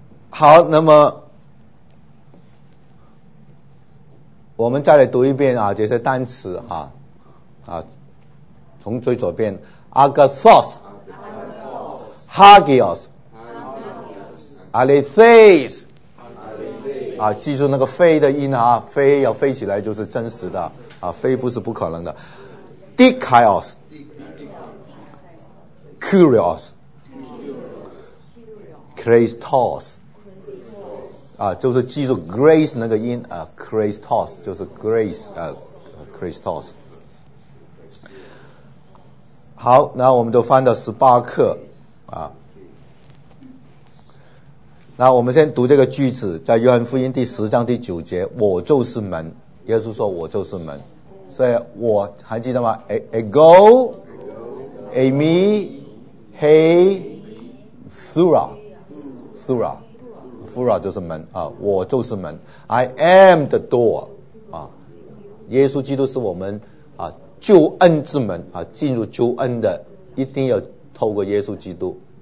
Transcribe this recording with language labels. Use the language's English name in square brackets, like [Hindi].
[Chinese] 好，那么我们再来读一遍啊，这些单词哈、啊，啊，从最左边 ，Agathos，Hagios，Alethes。啊，记住那个飞的音啊，飞要飞起来就是真实的啊，飞不是不可能的。 Dikaios, Kurios, Christos, 啊，就是记住 grace 那个音啊 ，Christos 就是 grace 啊 ，Christos。好，那我们就翻到十八课啊。那我们先读这个句子，在约翰福音第十章第九节，我就是门，耶稣说我就是门，所以我还记得吗 ？ [Greek] Ego, Ami, He, Thura, [Chinese] Thura, Thura 就是门啊，我就是门 ， [English] I am the door [Chinese] 啊，耶稣基督是我们啊救恩之门啊，进入救恩的一定要透过耶稣基督。